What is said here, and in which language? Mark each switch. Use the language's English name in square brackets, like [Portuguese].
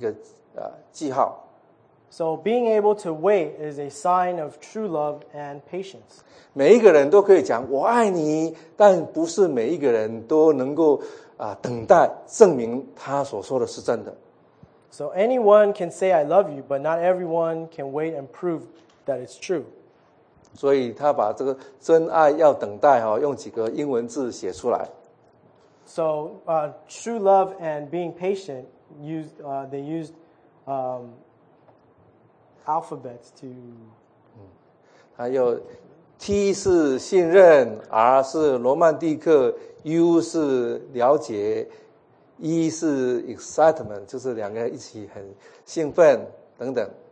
[Chinese] 他的信仰的宣告是这样，能够等待啊，是一个真正有爱的一个记号，有爱有忍耐的一个记号。So [English] being able to wait is a sign of true love and patience. [Chinese] 每一个人都可以讲我爱你，但不是每一个人都能够等待证明他所说的是真的。So [English] anyone can say I love you, but not everyone can wait and prove that it's true. [Chinese] 所以他把这个真爱要等待哈，用几个英文字写出来。 [English] So true love and being patient, they used alphabets to... [Chinese] 还有 T 是信任, R 是罗曼蒂克, U 是了解, E 是excitement, 就是两个一起很兴奋, 等等。